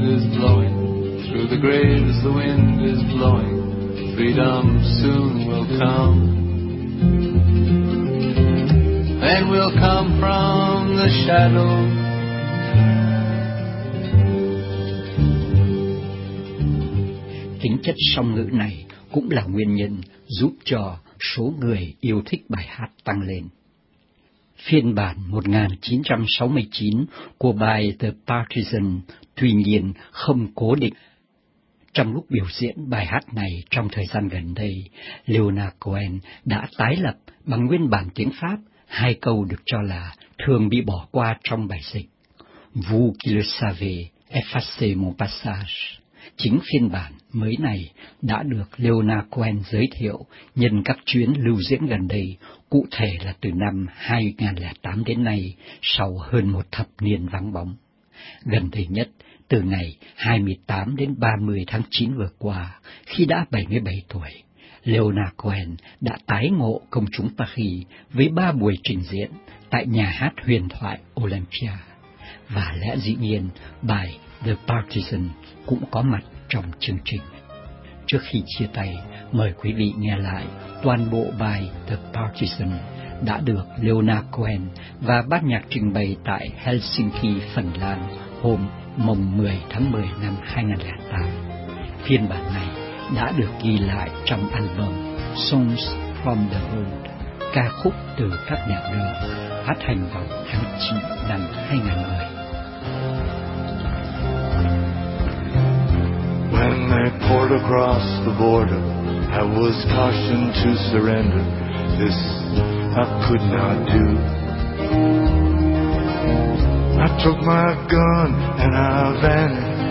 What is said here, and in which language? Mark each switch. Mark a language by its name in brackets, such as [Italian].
[English] the wind is blowing, freedom soon will come. Then we'll come from the shadow. [Vietnamese] Tính chất song ngữ này cũng là nguyên nhân giúp cho số người yêu thích bài hát tăng lên. Phiên bản 1969 của bài The Partisan tuy nhiên không cố định. Trong lúc biểu diễn bài hát này trong thời gian gần đây, Leonard Cohen đã tái lập bằng nguyên bản tiếng Pháp hai câu được cho là thường bị bỏ qua trong bài dịch. [French] Vous qui le savez, effacez mon passage. [Vietnamese] Chính phiên bản mới này đã được Leonard Cohen giới thiệu nhân các chuyến lưu diễn gần đây, cụ thể là từ năm 2008 đến nay, sau hơn một thập niên vắng bóng. Gần đây nhất, từ ngày 28 đến 30 tháng 9 vừa qua, khi đã 77 tuổi, Leonard Cohen đã tái ngộ công chúng Paris với ba buổi trình diễn tại nhà hát huyền thoại Olympia. Và lẽ dĩ nhiên, bài The Partisan cũng có mặt trong chương trình. Trước khi chia tay, mời quý vị nghe lại toàn bộ bài The Partisan đã được Leonard Cohen và ban nhạc trình bày tại Helsinki, Phần Lan hôm mùng 10 tháng 10 năm 2008. Phiên bản này đã được ghi lại trong album Songs from the Road, ca khúc từ các nhạc đường, phát hành vào tháng 9 năm 2010. [English] When they poured across the border, I was cautioned to surrender. This I could not do. I took my gun and I vanished.